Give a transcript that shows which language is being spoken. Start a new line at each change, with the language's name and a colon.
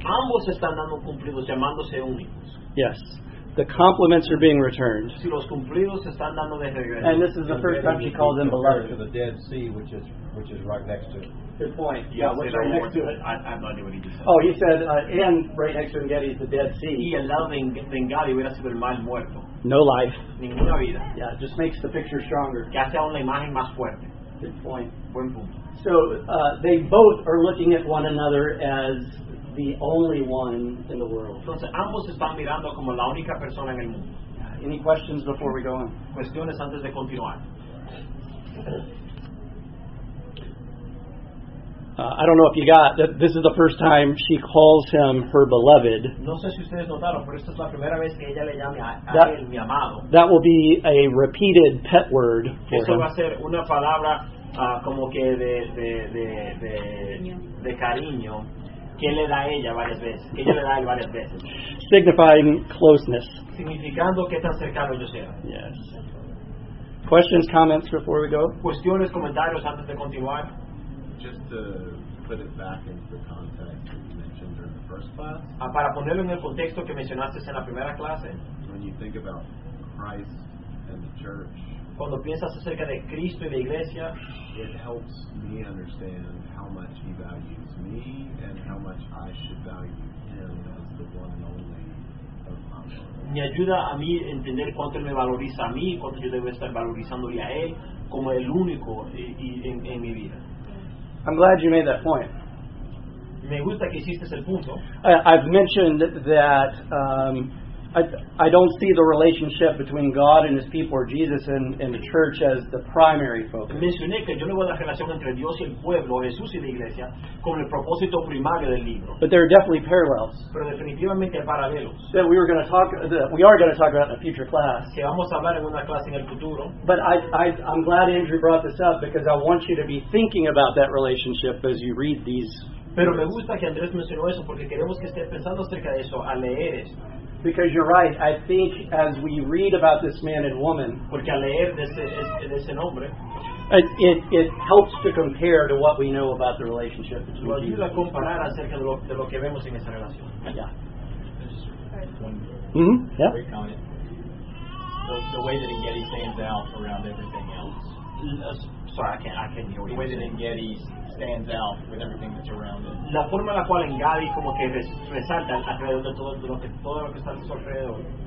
Spanish: Ambos están dando cumplidos, llamándose únicos.
English: Yes. the compliments are being returned.
Spanish: Si los cumplidos están dando de regreso.
English: And this is the first time she calls him beloved. To the Dead Sea, which is right next to it. Good point. Yeah, which is right next to it. I have no idea what he just said. Oh, he said, and right next to Engedi is the Dead Sea.
Spanish: Y al lado de Engedi hubiera sido el Mar Muerto.
English: No life.
Spanish: Ninguna vida.
English: Yeah, it just makes the picture stronger.
Spanish: Que hace aún la imagen más fuerte.
English: Good point.
Spanish: Buen punto.
English: So they both are looking at one another as the only one in the world.
Spanish: Entonces, ambos están mirando como la única persona en el mundo.
English: Any questions before we go on?
Spanish: Cuestiones antes de continuar.
English: I don't know if you got that. This is the first time she calls him her beloved.
Spanish: No sé si ustedes notaron, pero esta es la primera vez que ella le llama a él mi amado.
English: That will be a repeated pet word for him.
Spanish: Eso va a ser una palabra como que de cariño que le da ella varias veces. Que ella le da él varias veces.
English: Signifying closeness.
Spanish: Significando que tan cercano yo sea.
English: Yes. Questions, comments before we go.
Spanish: Cuestiones, comentarios antes de continuar.
English: Just to put it back into the context that you mentioned during the first class.
Spanish: Para ponerlo en el contexto que mencionaste en la primera clase.
English: When you think about Christ and the church.
Spanish: Cuando piensas acerca de Cristo y la iglesia.
English: It helps me understand how much he values me and how much I should value him as the one and only of my Lord.
Spanish: Me ayuda a mí entender cuánto él me valoriza a mí y cuánto yo debo estar valorizándole a él como el único en mi vida.
English: I'm glad you made that point.
Spanish: Me gusta que hiciste ese punto.
English: I've mentioned that I don't see the relationship between God and His people, or Jesus and the church, as the primary focus.
Spanish: Mencioné que yo no veo la relación entre Dios y el pueblo, Jesús y la iglesia, como el propósito primario del libro.
English: But there are definitely parallels.
Spanish: Pero definitivamente hay paralelos.
English: That we were going to talk, that we are going to talk about in a future class.
Spanish: Que vamos a hablar en una clase en el futuro.
English: But I'm glad Andrew brought this up because I want you to be thinking about that relationship as you read these.
Spanish: Pero me gusta que Andrés mencionó eso porque queremos que esté pensando acerca de eso al leer esto.
English: Because you're right, I think as we read about this man and woman,
Spanish: porque al leer de ese nombre,
English: it helps to compare to what we know about the relationship between Jesus.
Spanish: Ayuda a comparar acerca de lo que vemos en esa relación.
English: Yeah. Mm-hmm. Yeah. Great comment. The way that Engedi stands out around everything else. Sorry, I can't hear what you're saying. The way that Engedi stands out with everything that's around it.
Spanish: La forma en la cual Engedi como que resalta alrededor de todo lo que está a su alrededor.